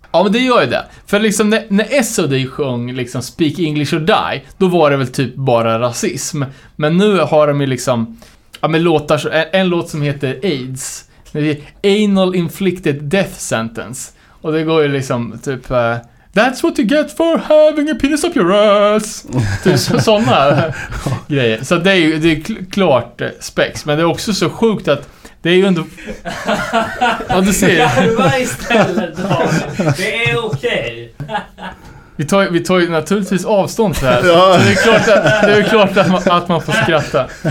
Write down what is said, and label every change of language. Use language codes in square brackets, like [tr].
[sv] Ja, men det gör ju det. För liksom när SOD sjöng liksom Speak English or Die, då var det väl typ bara rasism. Men nu har de ju liksom, ja, men låtar, en låt som heter AIDS. Det är Anal Inflicted Death Sentence. Och det går ju liksom typ... [en] That's what you get for having a penis up your ass. [sv] Typ sådana grejer. Så det är ju klart spex. Men det är också så sjukt att det är ju ändå... Ja, du ser. Istället, det är okej. Vi tar ju naturligtvis avstånd så här. Så det är klart att, man får skratta.